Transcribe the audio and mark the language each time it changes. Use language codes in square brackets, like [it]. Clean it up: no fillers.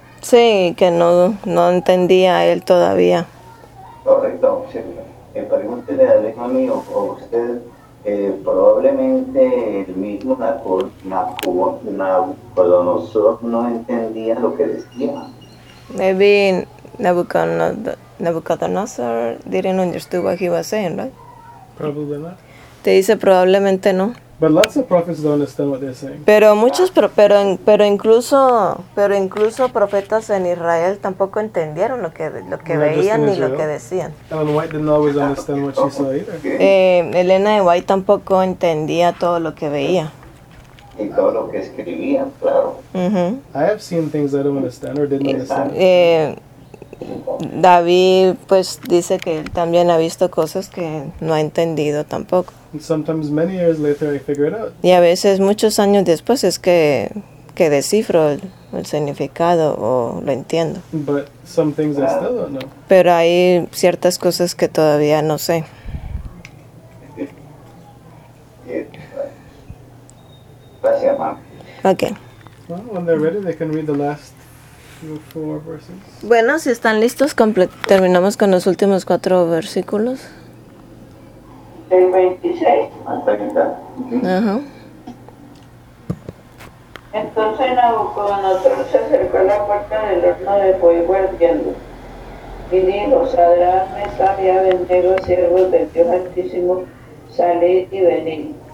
[es] Sí, que no entendía él todavía. Correcto. Sí, pregúntele a Alejo mío, o usted, probablemente el mismo Nabucodonosor no entendía lo que decía. [en] Maybe Nabucodonosor didn't understand what he was saying, right? Probably not. [es] Te dice probablemente no. [en] But lots of prophets don't understand what they're saying. [es] Pero incluso profetas en Israel tampoco entendieron lo que veían ni lo que decían. [en] Ellen White didn't always understand what she saw either. [es] Elena de White tampoco entendía todo lo que veía. Y todo lo que escribía, claro. [en] I have seen things I don't understand or didn't understand. [es] David pues dice que él también ha visto cosas que no ha entendido tampoco. [en] Sometimes many years later I figure it out. [es] Y a veces muchos años después es que descifro el significado o lo entiendo. [en] But some things I still don't know. [es] Pero hay ciertas cosas que todavía no sé. Gracias, mamá. [en] Okay. Well, when they're ready, they can read the last four verses. [es] Bueno, si están listos, terminamos con los últimos cuatro versículos. El 26. Ajá. Entonces Nabucodonosor se acercó a la puerta del horno de fuego ardiendo y dijo: Sadrach, Mesach y Abednego, siervos del Dios Altísimo, salid y venid.